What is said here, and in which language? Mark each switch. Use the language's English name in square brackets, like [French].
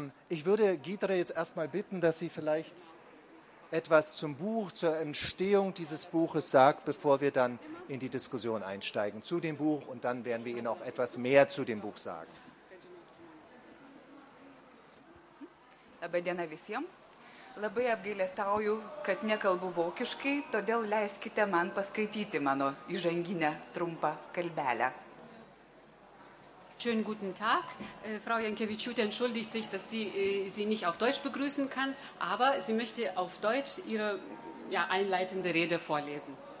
[German] Ich würde Gidre jetzt erstmal bitten, dass sie vielleicht etwas zum Buch, zur Entstehung dieses Buches sagt, bevor wir dann in die Diskussion einsteigen zu dem Buch und dann werden wir Ihnen auch etwas mehr zu dem Buch sagen. [Lithuanian] Labai diena visiem. Labai apgailestauju, kad nekalbu vokiškai, todėl leiskite man paskaityti mano įžanginę trumpą kalbelę. [German] Schönen guten Tag. Frau Jankevičiūtė entschuldigt sich, dass sie Sie nicht auf Deutsch begrüßen kann, aber sie möchte auf Deutsch ihre einleitende Rede vorlesen.